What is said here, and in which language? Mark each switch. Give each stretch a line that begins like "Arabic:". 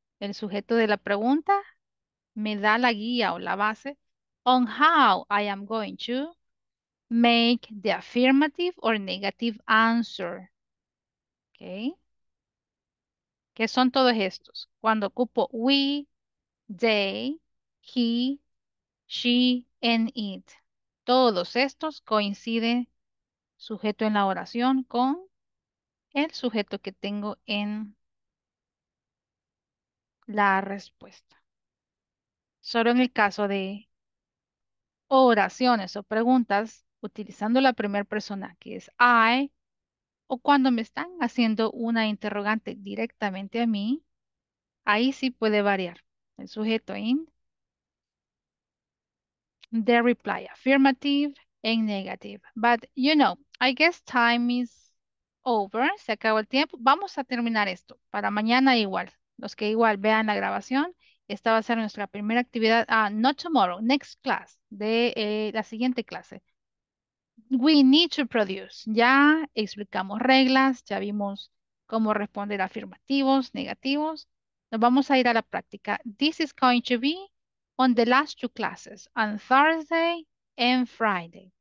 Spanish: El sujeto de la pregunta me da la guía o la base
English: on how I am going to make the affirmative or negative answer.
Spanish: ¿Ok? ¿Qué son todos estos? Cuando ocupo we, they, he, she, and it. Todos estos coinciden sujeto en la oración con el sujeto que tengo en la respuesta. Solo en el caso de oraciones o preguntas, utilizando la primera persona, que es I, o cuando me están haciendo una interrogante directamente a mí, ahí sí puede variar el sujeto
English: in the reply, affirmative and negative. But you know, I guess time is over,
Spanish: se acabó el tiempo. Vamos a terminar esto para mañana igual. Los que igual vean la grabación, esta va a ser nuestra primera actividad.
English: Ah, not tomorrow, next class,
Spanish: de la siguiente clase.
English: We need to produce.
Spanish: Ya explicamos reglas, ya vimos cómo responder afirmativos, negativos. Nos vamos a ir a la práctica.
English: This is going to be on the last two classes, on Thursday and Friday.